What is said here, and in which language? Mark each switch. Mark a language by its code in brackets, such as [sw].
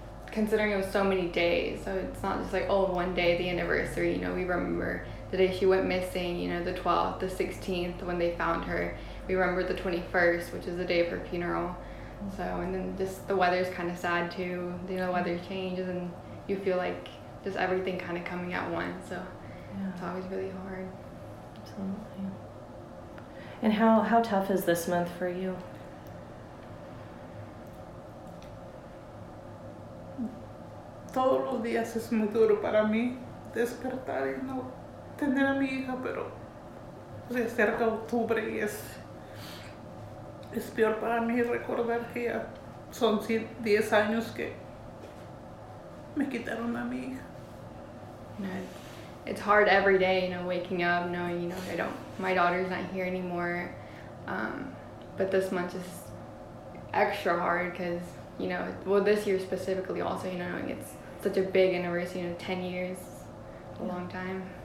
[en] Considering it was so many days, so it's not just like, oh, one day, the anniversary, you know, we remember the day she went missing, you know, the 12th, the 16th, when they found her, we remember the 21st, which is the day of her funeral, so, and then just the weather's kind of sad, too, you know, the weather changes, and you feel like just everything kind of coming at once, so yeah. It's always really hard. Absolutely. And how tough is this month for you? [es] Todos los días es muy duro para mí despertar y no tener a mi hija, pero se acerca octubre y es peor para mí recordar que ya son 10 años que me quitaron a mi hija. [en] No, it's hard every day, you know, waking up knowing, you know, my daughter's not here anymore. But this month is extra hard because, you know, well, this year specifically also, you know, knowing it's such a big anniversary, you know, 10 years, a long time.